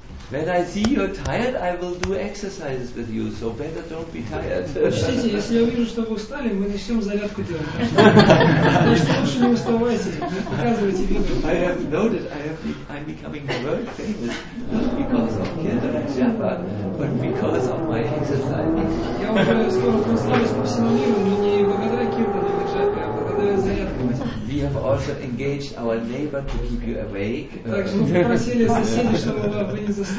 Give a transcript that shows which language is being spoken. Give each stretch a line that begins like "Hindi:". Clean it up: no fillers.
English: When I see you're tired, I will do exercises with you, so better don't be tired.
Russian: Учтите, если я вижу, что вы устали, мы начнем зарядку делать. Значит, лучше не уставайте, показывайте виду.
English: I have noted, I'm becoming very famous, not because of Kedarajapa, but because of my exercise.
Russian: Я уже скоро прославлюсь по всему миру, но не благодаря Кедарайджапе, а благодаря зарядку.
English: We have also engaged our neighbor to keep you awake.
Russian: Также мы попросили соседей, чтобы вы не